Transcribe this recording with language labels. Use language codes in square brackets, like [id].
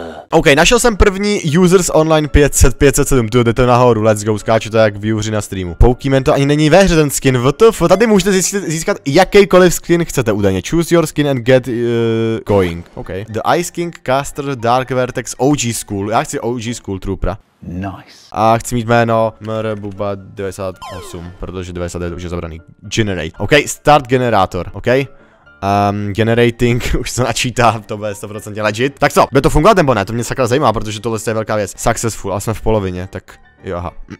[cs] OK, našel jsem první users online 500, 507, jde to nahoru, [en] let's go, [cs] skáče to jak výhuři na streamu. Pokémon to ani není ve hře ten skin, WTF, tady můžete získat jakýkoliv skin chcete údajně. [en] Choose your skin and get going. OK, the Ice King Caster Dark Vertex OG School, [cs] já chci OG School Troopera. [en] Nice. [cs] A chci mít jméno MRBUBA98, protože 99 už je zabraný. [en] Generate. OK, start generator. OK. Generating, [cs] už to načítá, to bude 100% legit. Tak co, bude to fungovat nebo ne? To mě sakra zajímá, protože tohle je velká věc. Successful, a jsme v polovině, tak jo, aha.